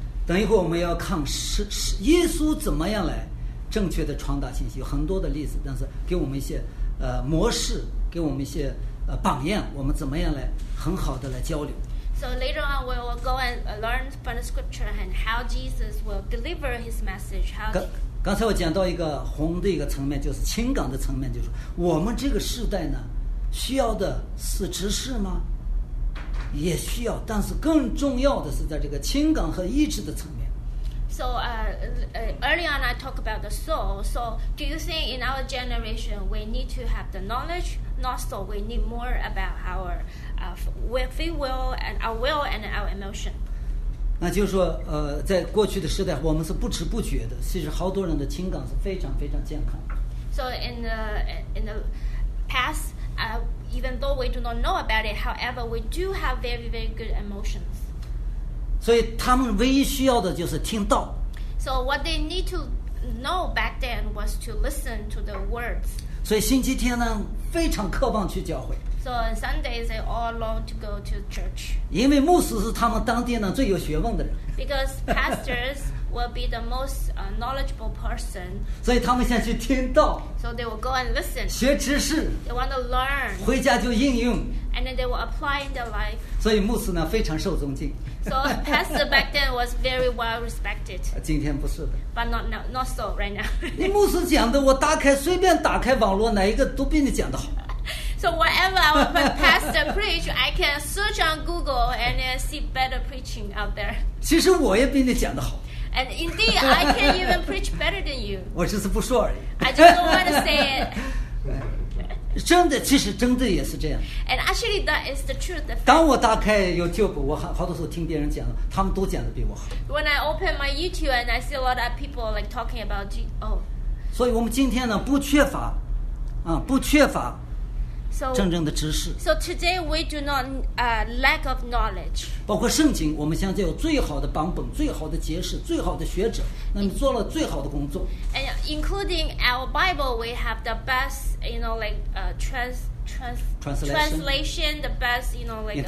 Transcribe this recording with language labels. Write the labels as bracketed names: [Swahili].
[Chinese] 等一会儿我们要看耶稣怎么样来正确的传达信息，有很多的例子，但是给我们一些模式，给我们一些榜样，我们怎么样来很好的来交流。 [English] So later on, we will go and learn from the scripture and how Jesus will deliver his message. [Chinese] 刚才我讲到一个红的一个层面，就是情感的层面，就是我们这个时代呢需要的是知识吗？也需要，但是更重要的是在这个情感和意志的层面。 [English] So early on I talk about the soul. So do you think in our generation we need to have the knowledge? Not so. We need more about our free will and our will and our emotion. [Chinese] 那就是说在过去的时代我们是不知不觉的，其实好多人的情感是非常非常健康的。 [English] So in the past, even though we do not know about it, however, we do have very, very good emotions. [Chinese] 所以他们唯一需要的就是听道。 [English] So what they need to know back then was to listen to the words. [Chinese] 所以星期天呢非常渴望去教会。 [English] So on Sundays, they all long to go to church. [Chinese] 因为牧师是他们当地呢最有学问的人。 [English] Because pastors will be the most knowledgeable person. [Chinese] 所以他们想去听道。 [English] So they will go and listen. [Chinese] 学知识。 [English] They want to learn. [Chinese] 回家就应用。 [English] And then they will apply in their life. [Chinese] 所以牧师呢非常受尊敬。 [English] So pastor back then was very well respected. [Chinese] 今天不是的。 [English] But not so right now. [Chinese] 你牧师讲的，我打开随便打开网络，哪一个都比你讲的好。 [English] So whatever our pastor preach, I can search on Google and see better preaching out there. [Chinese] 其实我也比你讲得好。 [English] And indeed, I can even preach better than you. [Chinese] 我只是不说而已。 [English] I just don't want to say it. [Chinese] 真的，其实真的也是这样。 [English] And actually, that is the truth. [Chinese] 当我打开 YouTube, 我好多时候听别人讲，他们都讲得比我好。 [English] When I open my YouTube and I see a lot of people like talking about oh. [Chinese] 所以我们今天呢，不缺乏，不缺乏。真正的知识。 [English] So today we do not lack of knowledge. [Chinese] 包括圣经，我们现在有最好的版本、最好的解释、最好的学者，那你做了最好的工作。 [English] And including our Bible, we have the best, you know, like translation, the best, you know, like